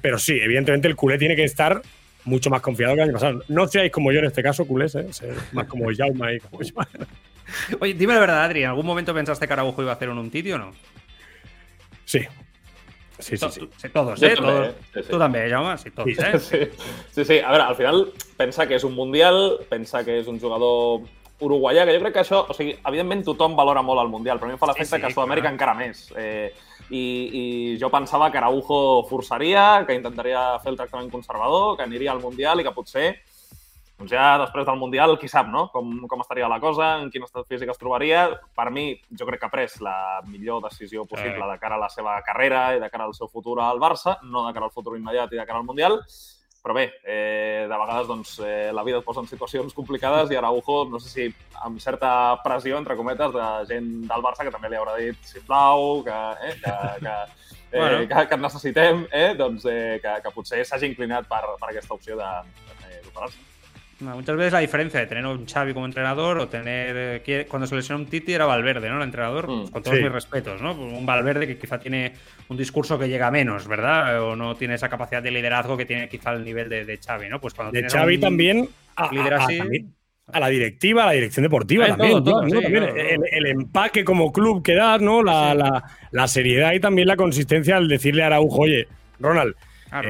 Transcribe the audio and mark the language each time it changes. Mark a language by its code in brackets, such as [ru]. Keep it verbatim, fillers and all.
[es] Pero sí, evidentemente el culé tiene que estar mucho más confiado que el año pasado. No seáis como yo en este caso, culés, ¿eh? Más como Jaume y como yo. Oye, dime la verdad, Adri, ¿en algún momento pensaste que Araujo iba a hacer un Umtiti o no? Sí. Sí, sí, sí. Todos, ¿eh? Todos. Sí, sí. Tú también, Jaume, sí, todos, ¿eh? Sí. sí, sí. [ca] A veure, al final, pensa que és un mundial, pensa que és un jugador uruguaià, que jo crec que això, o sigui, evidentment tothom valora molt el mundial, però a mi em fa l'efecte sí, sí, que a Sud-amèrica clar. Encara més. Eh, I, i jo pensava que Araujo forçaria, que intentaria fer el tractament conservador, que aniria al Mundial i que potser, doncs ja després del Mundial, qui sap, no? Com, com estaria la cosa, en quin estat físic es trobaria. Per mi, jo crec que ha pres la millor decisió possible de cara a la seva carrera i de cara al seu futur al Barça, no de cara al futur immediat i de cara al Mundial. Però bé, eh, de vegades doncs, eh, la vida et posa en situacions complicades i Araujo, no sé si amb certa pressió, entre cometes, de gent del Barça que també li haurà dit, sisplau, que, eh, que, que, eh, bueno. que, que et necessitem, eh, doncs, eh, que, que potser s'hagi inclinat per, per aquesta opció de, eh, d'operar-se. [es] No, muchas veces la diferencia de tener un Xavi como entrenador o tener… Eh, cuando se lesionó un Titi era Valverde, ¿no? El entrenador, pues, con todos sí. mis respetos, ¿no? Un Valverde que quizá tiene un discurso que llega menos, ¿verdad? O no tiene esa capacidad de liderazgo que tiene quizá el nivel de, de Xavi, ¿no? Pues cuando de Xavi un, también, a, lidera así, a, a, también a la directiva, a la dirección deportiva ah, también. Todo, todo, claro, sí, también claro, el, el empaque como club que da, ¿no? La, sí. la, la seriedad y también la consistencia al decirle a Araujo, oye, Ronald… Claro.